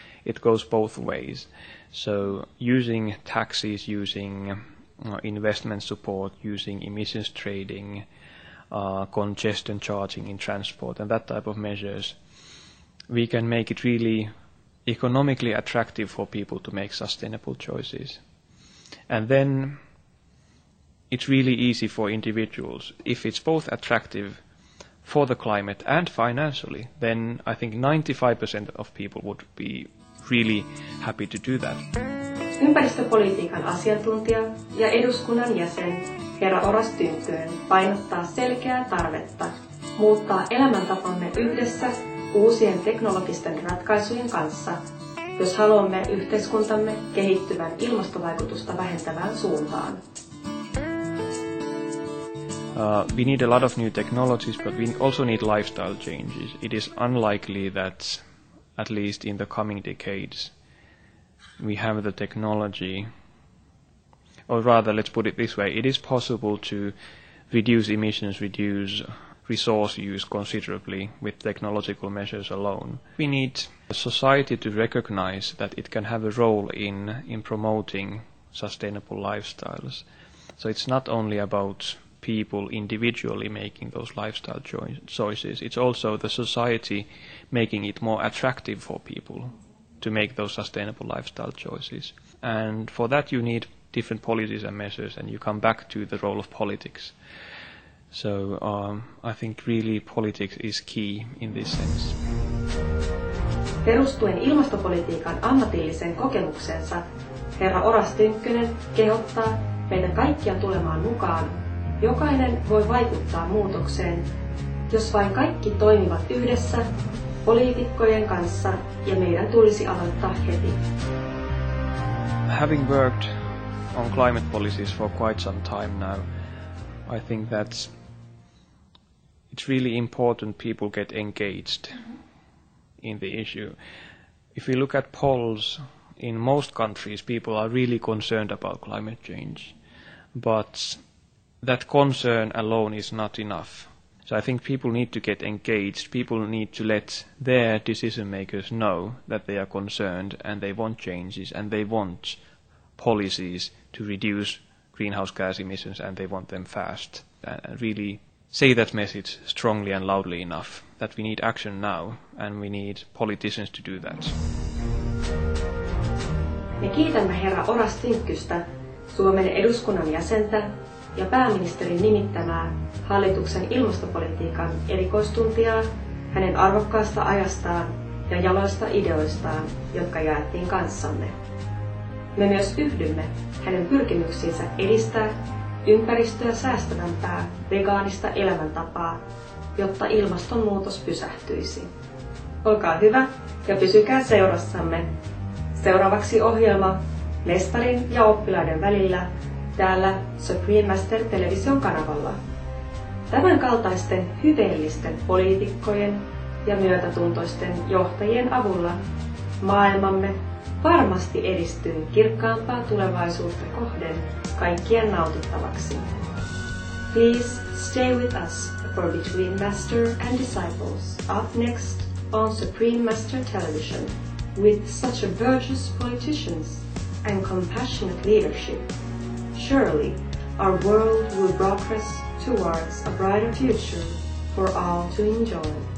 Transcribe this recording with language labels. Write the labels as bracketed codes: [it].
[en] It goes both ways. So using taxes, using investment support, using emissions trading, congestion charging in transport, and that type of measures, we can make it really economically attractive for people to make sustainable choices. And then it's really easy for individuals. If it's both attractive for the climate and financially, then I think 95% of people would be really happy to do that. [fi] Ympäristöpolitiikan asiantuntija ja eduskunnan jäsen herra Oras Tynkkynen painottaa selkeää tarvetta muuttaa elämäntapamme yhdessä uusien teknologisten ratkaisujen kanssa, jos haluamme yhteiskuntamme kehittyvän ilmastovaikutusta vähentävään suuntaan. [en] We need a lot of new technologies, but we also need lifestyle changes. It is unlikely that, at least in the coming decades, we have the technology. Or rather, let's put it this way, it is possible to reduce emissions, reduce resource use considerably with technological measures alone. We need society to recognize that it can have a role in promoting sustainable lifestyles. So it's not only about people individually making those lifestyle choices. It's also the society making it more attractive for people to make those sustainable lifestyle choices. And for that you need different policies and measures, and you come back to the role of politics. So I think really politics is key in this sense. [fi] Perustuen ilmastopolitiikan ammatilliseen kokemuksensa, herra Oras Tynkkynen kehottaa meidän kaikkia tulemaan mukaan. Jokainen voi vaikuttaa muutokseen, jos vain kaikki toimivat yhdessä poliitikkojen kanssa, ja meidän tulisi aloittaa heti. [en] Having worked on climate policies for quite some time now, I think that it's really important people get engaged in the issue. If we look at polls, in most countries people are really concerned about climate change, but that concern alone is not enough. So I think people need to get engaged. People need to let their decision makers know that they are concerned and they want changes and they want policies to reduce greenhouse gas emissions, and they want them fast. And really say that message strongly and loudly enough that we need action now and we need politicians to do that. [fi] Me kiitämme herra Oras Tynkkystä, Suomen eduskunnan jäsentä, ja pääministerin nimittämää hallituksen ilmastopolitiikan erikoistuntijaa hänen arvokkaasta ajastaan ja jaloista ideoistaan, jotka jaettiin kanssamme. Me myös yhdymme hänen pyrkimyksiinsä edistää ympäristöä säästävämpää vegaanista elämäntapaa, jotta ilmastonmuutos pysähtyisi. Olkaa hyvä ja pysykää seurassamme. Seuraavaksi ohjelma mestarin ja oppilaiden välillä täällä Supreme Master -television kanavalla. Tämän kaltaisten hyveellisten poliitikkojen ja myötätuntoisten johtajien avulla maailmamme varmasti edistyy kirkkaampaa tulevaisuutta kohden kaikkien nautittavaksi. [en] Please stay with us for Between Master and Disciples. Up next on Supreme Master Television, with such a virtuous politicians and compassionate leadership, surely our world will progress towards a brighter future for all to enjoy.